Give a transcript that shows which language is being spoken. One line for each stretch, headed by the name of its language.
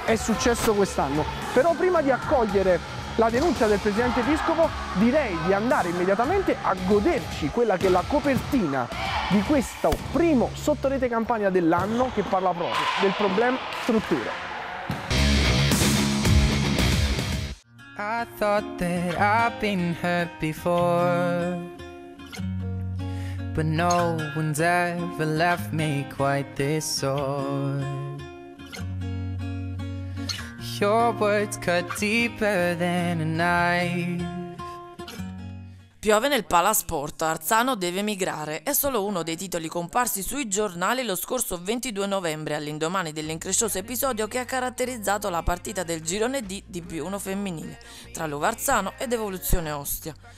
Italian: È successo quest'anno. Però prima di accogliere la denuncia del presidente Piscopo, direi di andare immediatamente a goderci quella che è la copertina di questo primo Sottorete Campania dell'anno, che parla proprio del problema strutture.
English: I thought that I've been hurt before, but no one's ever left me quite this sore. Your words cut deeper than a knife.
Italian: Piove nel palasport, Arzano deve migrare. È solo uno dei titoli comparsi sui giornali lo scorso 22 novembre, all'indomani dell'increscioso episodio che ha caratterizzato la partita del girone D di B1 femminile tra l'Uva Arzano ed Evoluzione Ostia.